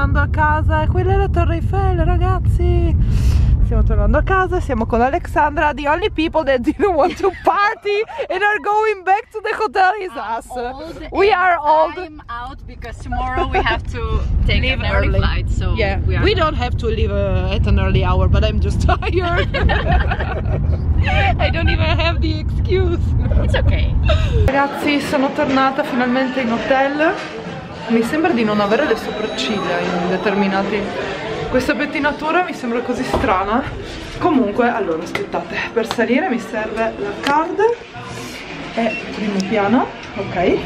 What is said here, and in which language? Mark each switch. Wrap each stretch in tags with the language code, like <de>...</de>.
<it>Casa, quella è la Torre Eiffel, ragazzi. Stiamo tornando a casa, siamo con Alexandra,</it> <en>the only people that didn't want to party and are going back to the hotel is us. We are old. I'm out because tomorrow we have to take leave an early flight, so yeah, we don't have to leave at an early hour, but I'm just tired. I don't even have the excuse. It's okay.</en> <it>Ragazzi, sono tornata finalmente in hotel. Mi sembra di non avere le sopracciglia in determinati... Questa pettinatura mi sembra così strana. Comunque, allora, aspettate. Per salire mi serve la card. È primo piano, ok.</it>